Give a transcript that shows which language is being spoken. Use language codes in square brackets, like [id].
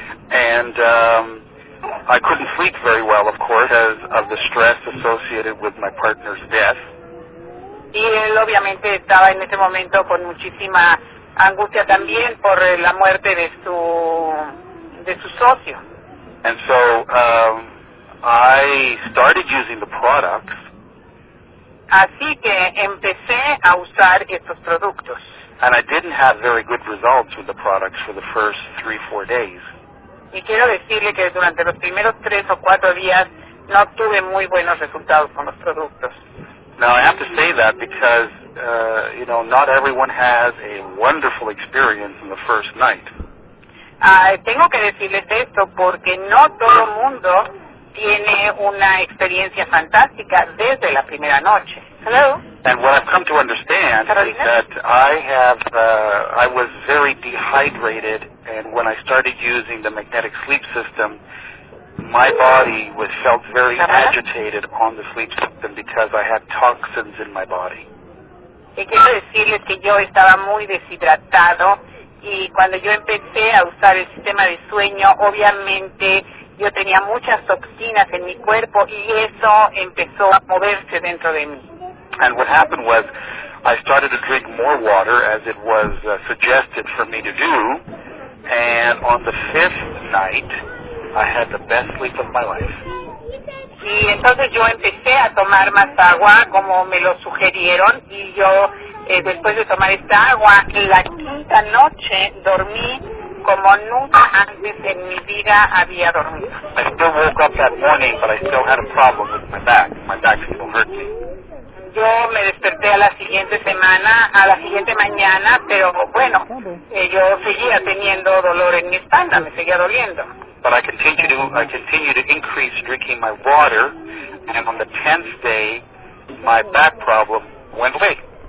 [en] And I couldn't sleep very well, of course, because of the stress associated with my partner's death. [es] Y él obviamente estaba en ese momento con muchísima angustia también por la muerte de su socio. [en] And so I started using the products. [es] Así que empecé a usar estos productos. [en] And I didn't have very good results with the products for the first 3-4 days. [es] Y quiero decirle que durante los primeros 3 o 4 días no tuve muy buenos resultados con los productos. [en] Now, I have to say that because, you know, not everyone has a wonderful experience in the first night. [es] Tengo que decirles esto porque no todo mundo tiene una experiencia fantástica desde la primera noche. [en] Hello? And what I've come to understand Carolina? Is that I was very dehydrated, and when I started using the magnetic sleep system, my body was felt very agitated on the sleep system because I had toxins in my body. [es] Y quiero decirles que yo estaba muy deshidratado, y cuando yo empecé a usar el sistema de sueño, obviamente yo tenía muchas toxinas en mi cuerpo, y eso empezó a moverse dentro de mí. [en] And what happened was, I started to drink more water, as it was suggested for me to do, and on the fifth night, I had the best sleep of my life. [es] Y entonces yo empecé a tomar más agua, como me lo sugirieron, y yo después de tomar esta agua, la quinta noche dormí como nunca antes en mi vida había dormido. [en] I still woke up that morning, but I still had a problem with my back. My back still hurt me. [es] Yo me desperté a la siguiente mañana, pero bueno, yo seguía teniendo dolor en mi espalda, me seguía doliendo. [en] But I continue to increase drinking my water, and on the 10th day, my back problem went away.